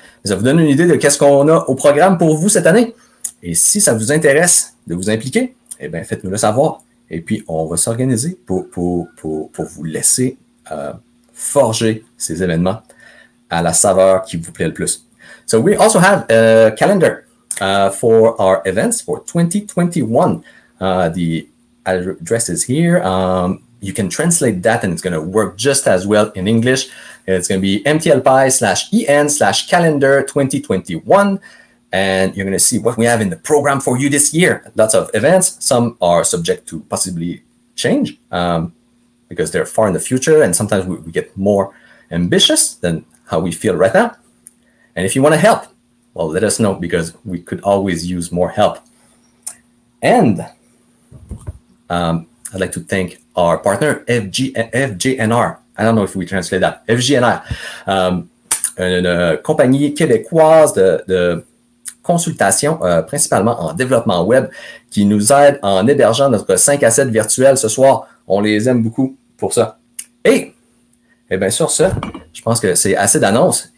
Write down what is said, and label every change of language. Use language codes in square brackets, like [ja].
[fr] Ça vous donne une idée de qu'est-ce qu'on a au programme pour vous cette année. Et si ça vous intéresse de vous impliquer, eh bien, faites-nous le savoir. Et puis, on va s'organiser pour vous laisser forger ces événements à la saveur qui vous plaît le plus. [en] So, we also have a calendar for our events for 2021. The address is here. You can translate that and it's going to work just as well in English. It's going to be mtlpi.com/en/calendar2021. And you're going to see what we have in the program for you this year. Lots of events. Some are subject to possibly change because they're far in the future. And sometimes we get more ambitious than how we feel right now. And if you want to help, well, let us know because we could always use more help. And I'd like to thank our partner, FGNR. I don't know if we translate that. [fr] FGNR, une compagnie québécoise de consultation, principalement en développement web, qui nous aide en hébergeant notre 5 à 7 virtuel ce soir. On les aime beaucoup pour ça. Et bien sur ce, je pense que c'est assez d'annonces.